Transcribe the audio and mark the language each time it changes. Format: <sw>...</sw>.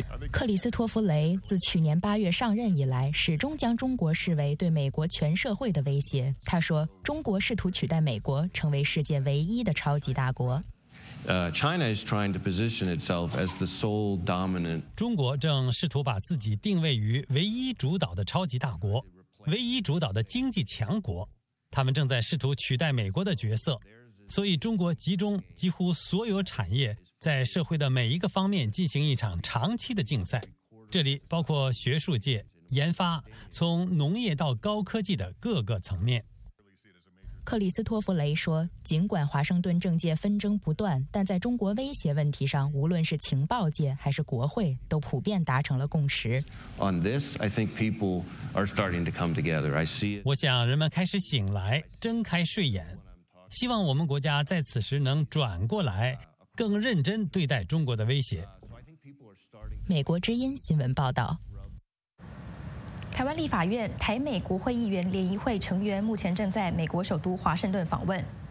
<zh>克里斯托弗·雷自去年8月上任以来，始终将中国视为对美国全社会的威胁。他说，中国试图取代美国，成为世界唯一的超级大国。</zh> <en>China is trying to position itself as the sole dominant.</en> <zh>中国正试图把自己定位于唯一主导的超级大国，唯一主导的经济强国。他们正在试图取代美国的角色。所以中国集中几乎所有产业在社会的每一个方面进行一场长期的竞赛，这里包括学术界、研发，从农业到高科技的各个层面。克里斯托弗·雷说，尽管华盛顿政界纷争不断，但在中国威胁问题上，无论是情报界还是国会都普遍达成了共识。</zh> <en>On this, I think people are starting to come together. I see it.</en> <zh>我想人们开始醒来，睁开睡眼，希望我们国家在此时能转过来，更认真对待中国的威胁。美国之音新闻报道。台湾立法院台美国会议员联谊会成员目前正在美国首都华盛顿访问。</zh>